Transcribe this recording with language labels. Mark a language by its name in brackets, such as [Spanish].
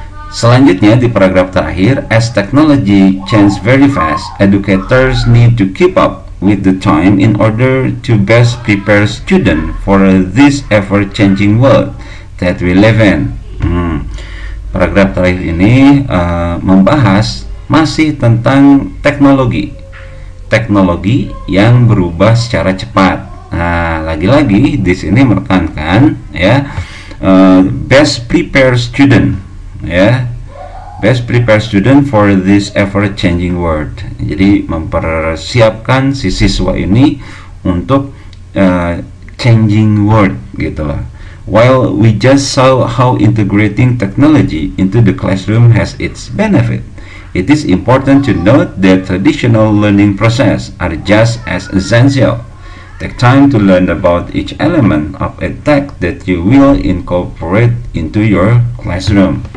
[Indonesian] Selanjutnya di paragraf terakhir, [English] as technology changes very fast, educators need to keep up with the time in order to best prepare student for this ever-changing world that we live in. [Indonesian] Paragraf terakhir ini membahas masih tentang teknologi. Teknologi yang berubah secara cepat. Nah, lagi-lagi di sini menekankan ya [English] best prepare student, [Indonesian] ya [English] best prepare student for this ever changing world. [Indonesian] Jadi mempersiapkan si siswa ini untuk [English] changing world [Indonesian] gitu lah. [English] While we just saw how integrating technology into the classroom has its benefit, it is important to note that traditional learning process are just as essential. Take time to learn about each element of a tech that you will incorporate into your classroom.